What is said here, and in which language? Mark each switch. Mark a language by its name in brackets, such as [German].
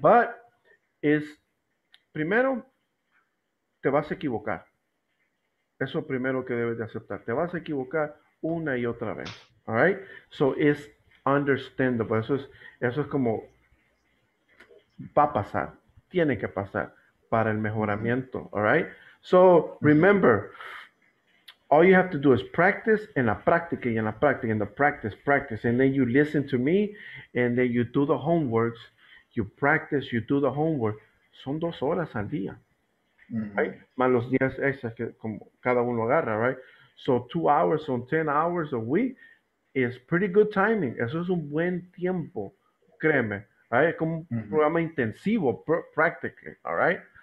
[Spanish] But, es, primero, te vas a equivocar. Eso primero que debes de aceptar. Te vas a equivocar una y otra vez, alright? So, es understandable. Eso es como va a pasar, tiene que pasar para el mejoramiento, alright? [English] So, remember, all you have to do is practice and a practice and a practice and a practice, practice, and then you listen to me and then you do the homeworks, you practice, you do the homework. [Spanish] Son 2 horas al día. Mm-hmm. Right? Más los días extras que como cada uno agarra, right? [English] So 2 hours on 10 hours a week is pretty good timing. [Spanish] Eso es un buen tiempo, créeme. Right? Es como mm-hmm. un programa intensivo, [English] practically, all right?